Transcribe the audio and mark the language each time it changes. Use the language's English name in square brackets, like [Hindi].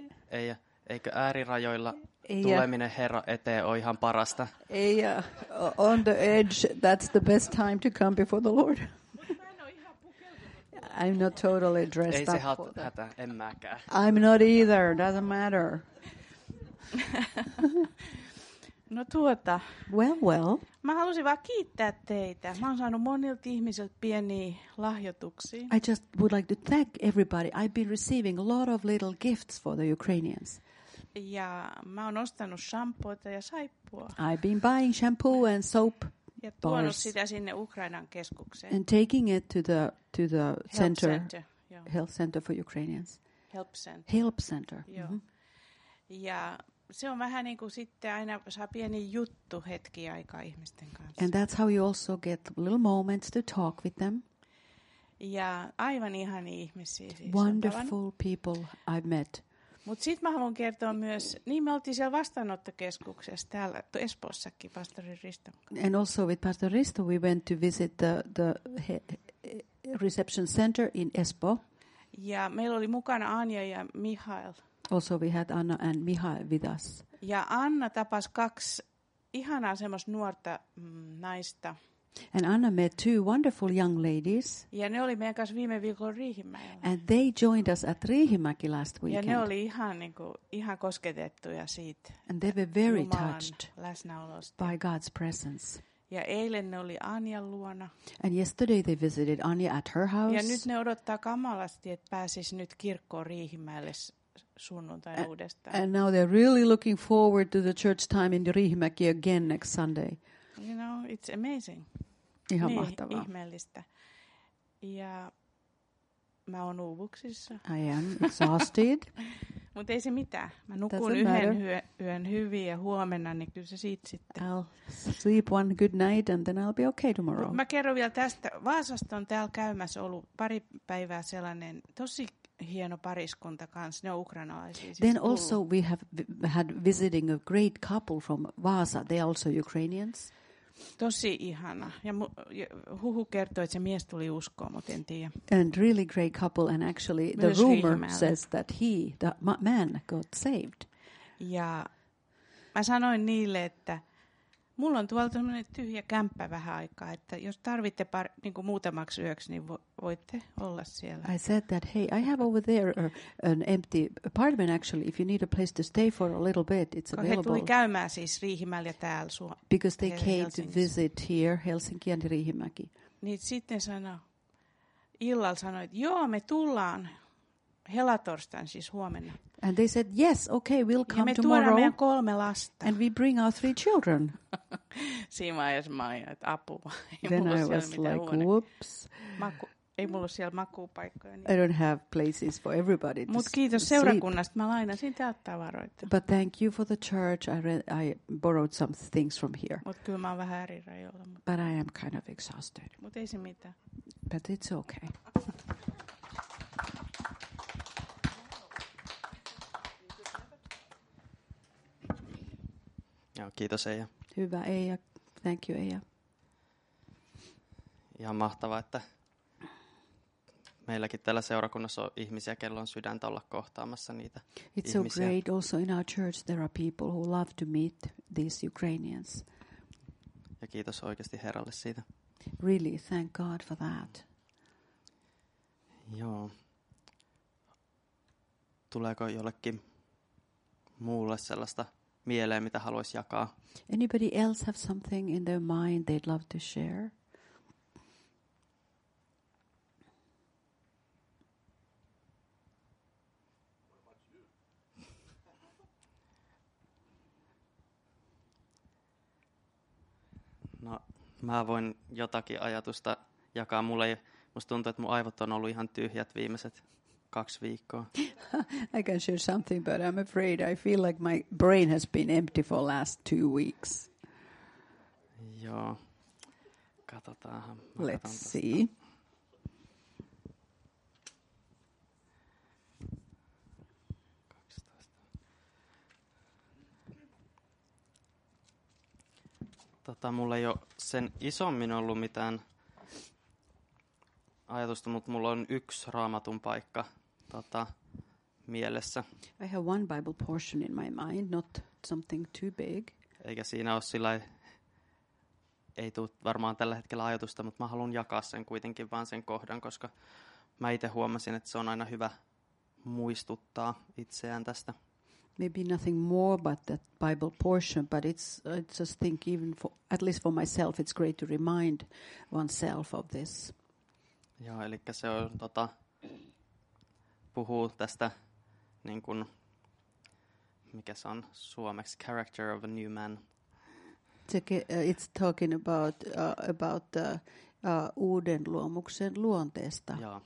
[Finnish] Eija, eikö äärirajoilla tuleminen Herra eteen ole ihan parasta? [English] Eija, on the edge, that's the best time to come before the Lord. I'm not totally dressed up. [Finnish] Ei se hätä, en mäkään. [English] I'm not either, doesn't matter. [Finnish] No tuota. [English] Well. [Finnish] Mä halusin vaan kiittää teitä. Mä oon saanut monilta ihmisiltä pieniä lahjoituksia. [English] I just would like to thank everybody. I've been receiving a lot of little gifts for the Ukrainians. [Finnish] Ja mä oon ostanut shampoota ja saippua. [English] I've been buying shampoo and soap. [Finnish] Ja tuonut sitä sinne Ukrainan keskukseen. [English] And taking it to the health center. Health center for Ukrainians. Help center. Help center. Mm-hmm. [Finnish] Ja se on vähän niin kuin sitten aina saa pieni juttu hetki aikaa ihmisten kanssa. [English] And that's how you also get little moments to talk with them. [Finnish] Ja aivan ihania ihmisiä siis. [English] Wonderful people I've met. [Finnish] Mut sitten mä haluan kertoa myös, niin me oltiin siellä vastaanottokeskuksessa täällä Espoossakin pastori Risto. [English] And also with Pastor Risto we went to visit the reception center in Espoo. [Finnish] Ja meillä oli mukana Anja ja Mihail. [English] Also we had Anna and Mihail with us. [Finnish] Ja Anna tapasi kaksi ihanaa semmoista nuorta naista. [English] And Anna met two wonderful young ladies. [Finnish] Ja ne oli meidän kanssa viime viikolla Riihimäellä. [English] And they joined us at Riihimäki last weekend. [Finnish] Ja ne oli ihan niinku ihan kosketettuja siitä. [English] And they were very touched [Finnish] läsnäolosta. [English] By God's presence. [Finnish] Ja eilen ne oli Anjan luona. [English] And yesterday they visited Anya at her house. [Finnish] Ja nyt ne odottaa kamalasti, että pääsisi nyt kirkkoon Riihimäelle sunnuntai uudestaan. [English] And now they're really looking forward to the church time in Riihimäki again next Sunday. You know, it's amazing. [Finnish] Ihan niin, mahtavaa. Ihmeellistä. Ja mä oon uuvuksissa. [English] I am exhausted. [Finnish] Mutta ei se mitään. Mä nukun yhden yön hyvin ja huomenna, niin kyllä se siitä sitten. [English] I'll sleep one good night and then I'll be okay tomorrow. [Finnish] Mä kerron vielä tästä. Vaasasta on täällä käymässä ollut pari päivää sellainen tosi hieno pariskunta kans, ne on ukrainalaisia. Siis [English] then also we have had visiting a great couple from Vaasa. They are also Ukrainians. [Finnish] Tosi ihana. Ja huhu kertoi, että se mies tuli uskoon, mutta en tiedä. [English] And really great couple, and actually the myös rumor Riihimäällä. Says that he, the man, got saved. [Finnish] Ja mä sanoin niille, että mulla on tuolta sellainen tyhjä kämppä vähän aikaa, että jos tarvitte niin kuin muutamaksi yöksi, niin voitte olla siellä. [English] I said that, hey, I have over there an empty apartment actually. If you need a place to stay for a little bit, it's available. [Finnish] He tuli käymään siis Riihimäellä täällä Suomessa. [English] Because they came to visit here, Helsinki and Riihimäki. [Finnish] Niin sitten illalla sanoi, että joo, me tullaan helatorstain, siis huomenna. [English] And they said, yes, okay, we'll come [Finnish] ja me [English] tomorrow. [Finnish] Ja tuodaan meidän kolme lasta. [English] And we bring our three children. [Finnish] Siinä vaiheessa mä ajattelin, että apua. [English] Then I was like, whoops. [Finnish] Ei mulla ole siellä makuupaikkoja. Niin. [English] I don't have places for everybody to [Finnish] Mut kiitos [English] sleep. [Finnish] Seurakunnasta. Mä lainasin täältä tavaroita. [English] But thank you for the church. I borrowed some things from here. [Finnish] Mut kyllä mä oon vähän eri rajoilla. [English] But I am kind of exhausted. [Finnish] Mut ei se mitään. [English] But it's okay. [Finnish] Joo, kiitos Eija. Hyvä Eija. [English] Thank you [Finnish] Eija. Ihan mahtavaa, että meilläkin tällä seurakunnassa on ihmisiä, kello on sydäntä olla kohtaamassa niitä [English] It's [Finnish] ihmisiä. [English] It's so great. Also in our church there are people who love to meet these Ukrainians. [Finnish] Ja kiitos oikeasti Herralle siitä. [English] Really, thank God for that. [Finnish] Joo. Tuleeko jollekin muulle sellaista mieleen, mitä haluaisi jakaa. [English] Anybody else have something in their mind they'd love to share? [Finnish] No, mä voin jotakin ajatusta jakaa. Musta tuntuu, että mun aivot on ollut ihan tyhjät viimeiset 2 viikkoa. [English] I can share something, but I'm afraid I feel like my brain has been empty for last 2 weeks. [Finnish] Joo. Katsotaanhan. [English] Let's see. [Finnish] Mulla ei ole sen isommin ollut mitään ajatusta, mutta mulla on yksi raamatun paikka. Mielessä. [English] I have one Bible portion in my mind, not something too big. [Finnish] Eikä siinä ole sillai, ei tule varmaan tällä hetkellä ajatusta, mutta mä haluan jakaa sen kuitenkin vaan sen kohdan, koska mä itse huomasin, että se on aina hyvä muistuttaa itseään tästä. [English] Maybe nothing more but that Bible portion, but I just think even for, at least for myself, it's great to remind oneself of this. [Finnish] Joo, elikkä se on puhuu tästä niin kuin mikä se on suomeksi [English] character of a new man. It's talking about [Finnish] uuden luomuksen luonteesta.